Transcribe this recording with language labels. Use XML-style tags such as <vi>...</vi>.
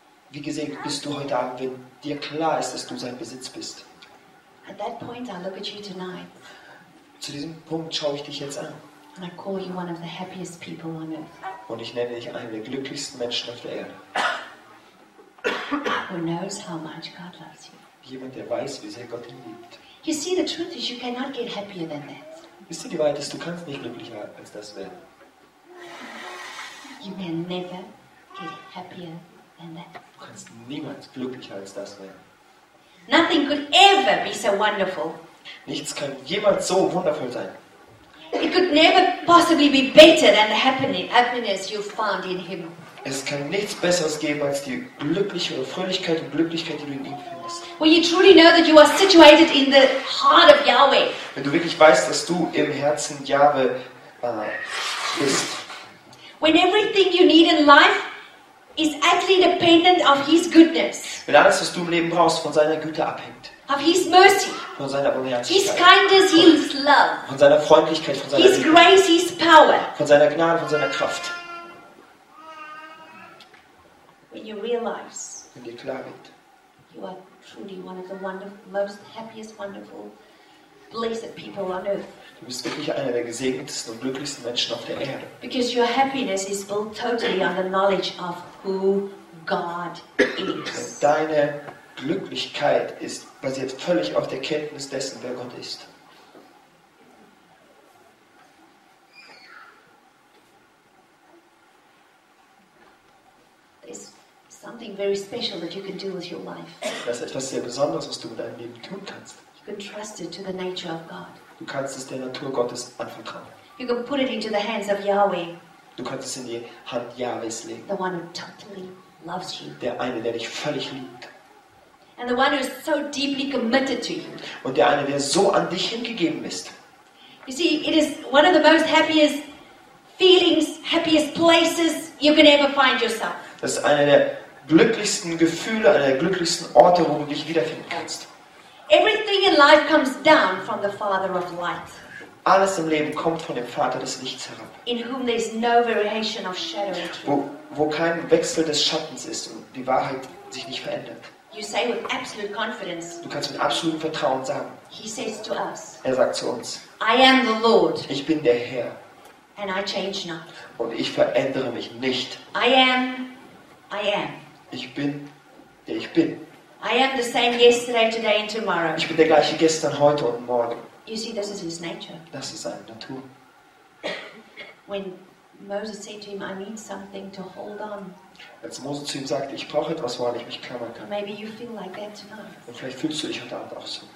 <de>Wie gesegnet bist du heute Abend, wenn dir klar ist, dass du sein Besitz bist.</de> <en>At that point I look at you tonight.</en> <de>Zu diesem Punkt schaue ich dich jetzt an.</de> <en>And I call you one of the happiest people on earth.</en> <de>Und ich nenne dich einen der glücklichsten Menschen auf der Erde.</de> <en>Who knows how much God loves you.</en> <de>Jemand, der weiß, wie sehr Gott ihn liebt.</de> <en>You see, the truth is, you cannot get happier than that.</en> <de>Wisst ihr, die Wahrheit ist, du kannst nicht glücklicher als das werden.</de> <en>You can never get happier than that.</en> <de>Du kannst niemals glücklicher als das werden.</de> <en>Nothing could ever be so wonderful.</en> <de>Nichts kann jemals so wundervoll sein.</de> <en>It could never possibly be better than the happiness you found in him.</en> <de>Es kann nichts Besseres geben als die glückliche oder Fröhlichkeit und Glücklichkeit, die du in ihm findest.</de> <en>When you truly know that you are situated in the heart of Yahweh.</en> <de>Wenn du wirklich weißt, dass du im Herzen Jahwe bist.</de> <en>When everything you need in life is actually dependent of his goodness.</en> <de>Wenn alles, was du im Leben brauchst, von seiner Güte abhängt.</de> <en>Of his mercy.</en> <de>Von seiner Barmherzigkeit.</de> <en>His kindness, his love.</en> <de>Von seiner Freundlichkeit, von seiner</de> <en>His</en> <de>Liebe.</de> <en>Grace, his power.</en> <de>Von seiner Gnade, von seiner Kraft.</de> <en>When you realize,</en> <de>wenn dir klar wird,</de> <en>you are truly one of the wonderful, most happiest, wonderful, blessed people on earth.</en> <de>Du bist wirklich einer der gesegnetsten und glücklichsten Menschen auf der Erde.</de> <en>Because your happiness is built totally on the knowledge of who God is.</en> <de>Deine Glücklichkeit ist basiert völlig auf der Kenntnis dessen, wer Gott ist.</de> <en>Something very special that you can do with your life.</en> <de>Das ist etwas sehr Besonderes, was du mit deinem Leben tun kannst.</de> <en>You can trust it to the nature of God.</en> <de>Du kannst es der Natur Gottes anvertrauen.</de> <en>You can put it into the hands of Yahweh.</en> <de>Du kannst es in die Hand Yahwehs legen.</de> <en>The one who totally loves you.</en> <de>Der eine, der dich völlig liebt.</de> <en>And the one who is so deeply committed to you.</en> <de>Und der eine, der so an dich hingegeben ist.</de> <en>You see, it is one of the most happiest feelings, happiest places you can ever find yourself.</en> <de>Das ist einer der glücklichsten Gefühle, einer der glücklichsten Orte, wo du dich wiederfinden kannst.</de> <en>Everything in life comes down from the Father of Light.</en> <de>Alles im Leben kommt von dem Vater des Lichts herab.</de> <en>In whom there is no variation of shadow.</en> <de>Wo kein Wechsel des Schattens ist und die Wahrheit sich nicht verändert.</de> <en>You say with absolute confidence.</en> <de>Du kannst mit absolutem Vertrauen sagen.</de> <en>He says to us.</en> <de>Er sagt zu uns.</de> <en>I am the Lord.</en> <de>Ich bin der Herr.</de> <en>And I change not.</en> <de>Und ich verändere mich nicht.</de> <en>I am.</en> <de>Ich bin, der ich bin.</de> <en>I am the same yesterday, today and tomorrow.</en> <de>Ich bin der gleiche gestern, heute und morgen.</de> <en>You see, this is his nature.</en> <de>Das ist seine Natur.</de> <en>When Moses said to him, I need something to hold on.</en> <de>Als Moses zu ihm sagte, ich brauche etwas, woran ich mich klammern kann.</de> <en>Maybe you feel like that tonight.</en> <de>Und vielleicht fühlst du dich heute Abend auch so.</de>